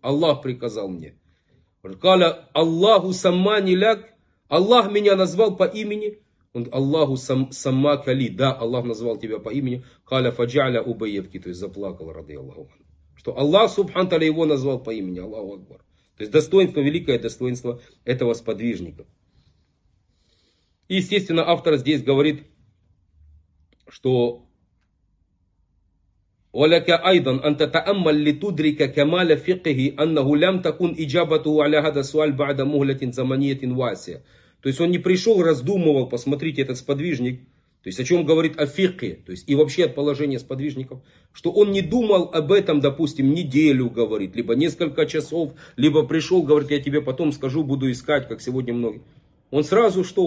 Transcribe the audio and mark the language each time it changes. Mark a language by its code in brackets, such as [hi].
[ru] Аллах приказал мне. [ar] Каля Аллаху саммани ляк, [ru] Аллах меня назвал по имени. Он, [ar] Аллаху сама кали, [ru] да, Аллах назвал тебя по имени, [ar] каля фаджаля убаевки, [ru] то есть заплакал, ради Аллаху. Что Аллах субханталя его назвал по имени, Аллаху Акбар. То есть достоинство, великое достоинство этого сподвижника. И естественно, автор здесь говорит, что [ar] وَلَكَ أَيْضًا أَن تَتَأَمَّلْ لِتُدْرِكَ كَمَالَ فِقْهِ أَنَّهُ لَمْ تَكُنْ إِجَابَتُهُ عَلَى هَذَا السُّؤَالِ بَعْدَ مُهْلَةٍ زَمَنِيَةٍ وَاسِعَةٍ. [ru] То есть он не пришел, раздумывал, посмотрите, этот сподвижник, то есть о чем говорит о фикхе, то есть и вообще от положения сподвижников, что он не думал об этом, допустим, неделю, говорит, либо несколько часов, либо пришел, говорит, я тебе потом скажу, буду искать, как сегодня многие. Он сразу что?